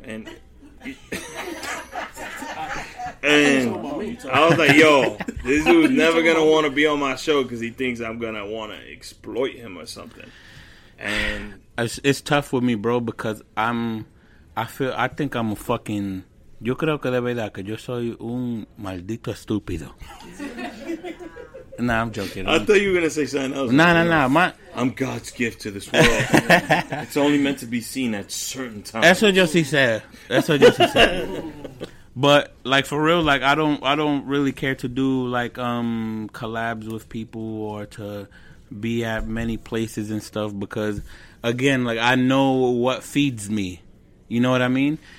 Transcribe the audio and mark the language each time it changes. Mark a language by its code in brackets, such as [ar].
[en] And and I was like, yo, this dude's never going to want to be on my show because he thinks I'm going to want to exploit him or something. And it's tough with me, bro, because I think I'm a fucking... [es] Yo creo que de verdad que yo soy un maldito estúpido. [en] Nah, I'm joking. I thought you were going to say something else. Nah. I'm God's gift to this world. It's only meant to be seen at certain times. [es] Eso yo sí sé. Eso yo sí sé. [en] But, like, for real, like, I don't really care to do, like, collabs with people or to be at many places and stuff because, again, like, I know what feeds me. You know what I mean?